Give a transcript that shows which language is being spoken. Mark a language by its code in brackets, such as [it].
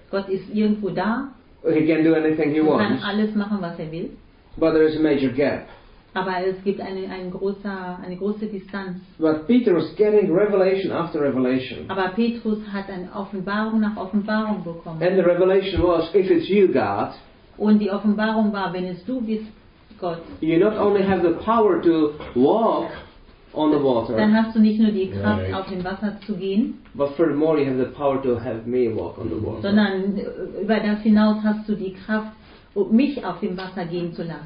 [de] Gott ist irgendwo da. [en] He can do anything he wants. [de] Er kann alles machen, was er will. [en] But there is a major gap. [de] Aber es gibt eine große Distanz. [en] But Peter was getting revelation after revelation. [de] Aber Petrus hat eine Offenbarung nach Offenbarung bekommen. [en] And the revelation was, if it's you, God. [de] Und die Offenbarung war, wenn es du bist, Gott. [en] You not only have the power to walk on the water. [de] Dann hast du nicht nur die Kraft, [en] right. [de] auf dem Wasser zu gehen. [en] But furthermore, you have the power to have me walk on the water. [de] Sondern über das hinaus hast du die Kraft, mich auf dem Wasser gehen zu lassen.